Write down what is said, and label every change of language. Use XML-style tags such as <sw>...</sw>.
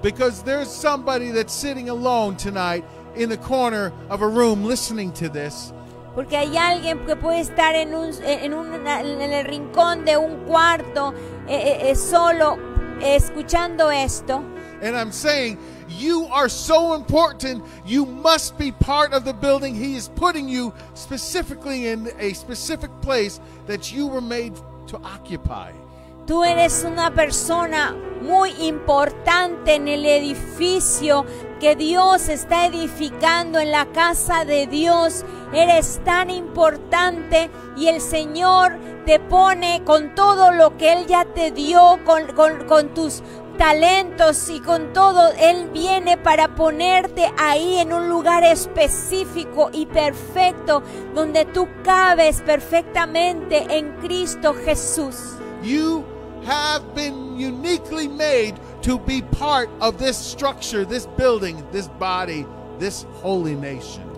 <en>Because there's somebody that's sitting alone tonight in the corner of a room listening to this.</en> <es>Porque hay alguien que puede estar en el rincón de un cuarto solo escuchando esto.</es> <en>And I'm saying, you are so important, you must be part of the building. He is putting you specifically in a specific place that you were made to occupy.</en> <es>Tú eres una persona muy importante en el edificio que Dios está edificando, en la casa de Dios. Eres tan importante y el Señor te pone con todo lo que Él ya te dio, con tus talentos y con todo. Él viene para ponerte ahí en un lugar específico y perfecto donde tú cabes perfectamente en Cristo Jesús.</es> <en>You have been uniquely made to be part of this structure, this building, this body, this holy nation.</en>